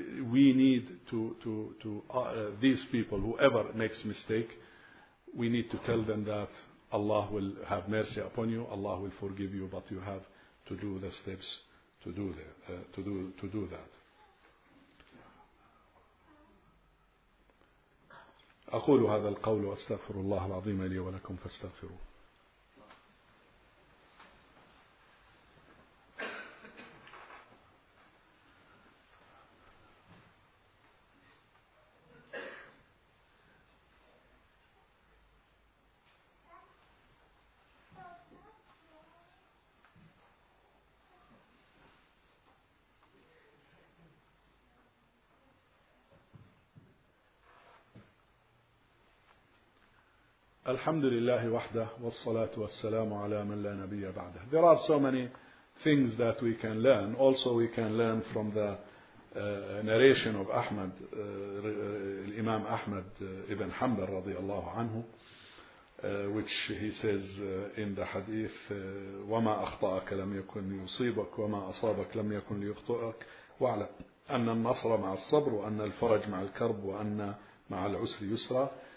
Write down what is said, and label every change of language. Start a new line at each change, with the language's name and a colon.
English: We need to these people, whoever makes mistake, we need to tell them that Allah will have mercy upon you, Allah will forgive you, but you have to do the steps to do that.
Arabic: أقول هذا القول وأستغفر الله العظيم لي ولكم فاستغفروه. الحمد لله وحده والصلاة والسلام على من لا نبي بعده.
English: There are so many things that we can learn. Also, we can learn from the narration of Ahmad, Imam Ahmad ibn Hanbal رضي الله عنه, which he says in the hadith,
Arabic: وما أخطأك لم يكن ليصيبك وما أصابك لم يكن ليخطئك, واعلم أن النصر مع الصبر وأن الفرج مع الكرب وأن مع العسر يسرا.